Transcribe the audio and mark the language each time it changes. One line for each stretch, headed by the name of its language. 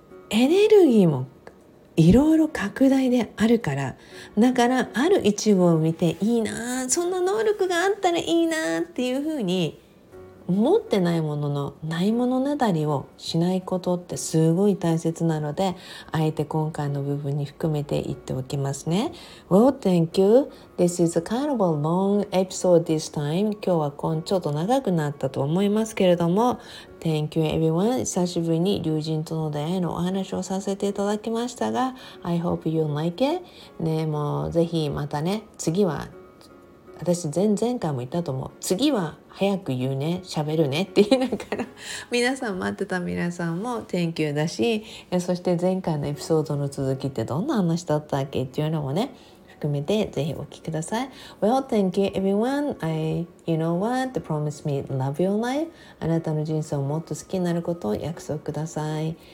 Japanese: エネルギーもいろいろ拡大であるから、だからある一部を見ていいな、そんな能力があったらいいなっていうふうに持ってないもののないものねだりをしないことってすごい大切なので、あえて今回の部分に含めて言っておきますね。
English: Well, thank you. This is a kind of a long episode this time.
Japanese: 今日はちょっと長くなったと思いますけれども、
English: Thank you everyone.
Japanese: 久しぶりに友人との出会いのお話をさせていただきましたが、
English: I hope you like it.
Japanese: ね、もうぜひまたね、次は私前回も言ったと思う、次は早く言うね、喋るねって言いながら皆さん待ってた皆さんも
English: Thank you
Japanese: だし、そして前回のエピソードの続きってどんな話だったっけっていうのもね含めてぜひお聞きください。
English: Well, thank you everyone. You know what? Promise me love your life.
Japanese: あなたの人生をもっと好きになることを約束ください。